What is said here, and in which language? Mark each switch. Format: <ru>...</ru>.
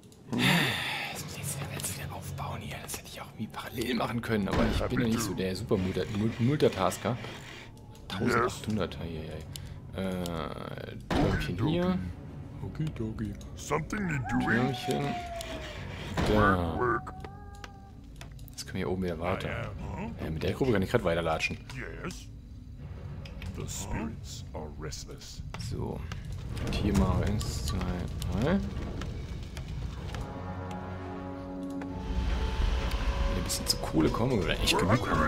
<de>Das muss ich jetzt alles wieder aufbauen hier. Das hätte ich auch wie parallel machen können, aber ich bin ja nicht so der Super-Multitasker. 1800, heieiei. Türmchen hier.</de> <en>Okay, doggy. Something need doing.</en> <de>Türmchen. Da. Jetzt können wir hier oben wieder warten. Mit der Gruppe kann ich gerade weiterlatschen.</de> <en>Yes. The spirits are restless.</en> <de>So. Und hier mal 1, 2, 3. Ein bisschen zu Kohle kommen oder echt genug.</de>